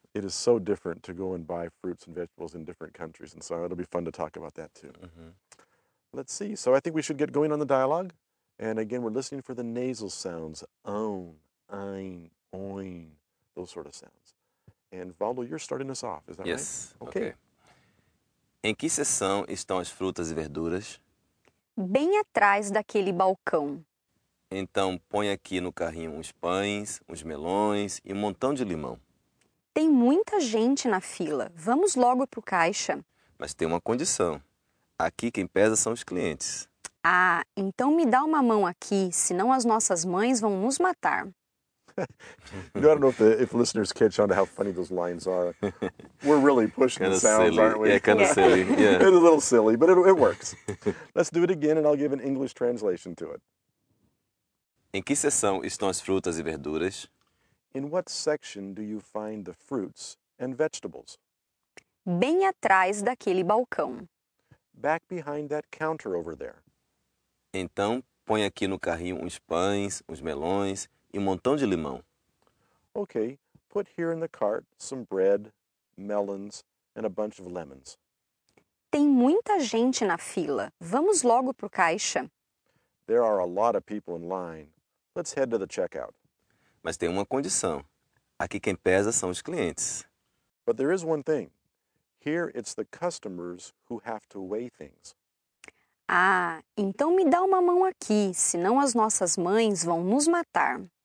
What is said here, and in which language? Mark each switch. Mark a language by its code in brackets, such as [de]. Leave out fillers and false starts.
[en] It is so different to go and buy fruits and vegetables in different countries, and so it'll be fun to talk about that too. Mm-hmm. Let's see. So I think we should get going on the dialogue. And again, we're listening for the nasal sounds, own, ein, oin, those sort of sounds. And Valdo, you're starting us off, is that yes. right? Yes. Okay. [pt] Em que seção estão as frutas e verduras? Bem atrás daquele balcão. Então, põe aqui no carrinho uns pães, uns melões e um montão de limão. Tem muita gente na fila. Vamos logo pro caixa. Mas tem uma condição. Aqui quem pesa são os clientes. Ah, então me dá uma mão aqui, senão as nossas mães vão nos matar. [en] I don't know if listeners catch on to how funny those lines are. We're really pushing kinda the sounds, silly. Aren't we? Yeah, kind of silly. Yeah. It's a little silly, but it works. Let's do it again and I'll give an English translation to it. [pt] Em que seção estão as frutas e verduras? [en] In what section do you find the fruits and vegetables? [pt] Bem atrás daquele balcão. [en] Back behind that counter over there. [pt] Então, põe aqui no carrinho uns pães, uns melões e um montão de limão. [en] Okay, put here in the cart some bread, melons, and a bunch of lemons. [pt] Tem muita gente na fila. Vamos logo pro caixa. [en] There are a lot of people in line. Let's head to the checkout. [pt] Mas tem uma condição. Aqui quem pesa são os clientes. [en] But there is one thing. Here it's the customers who have to weigh things. [pt] Ah, então me dá uma mão aqui, senão as nossas mães vão nos matar.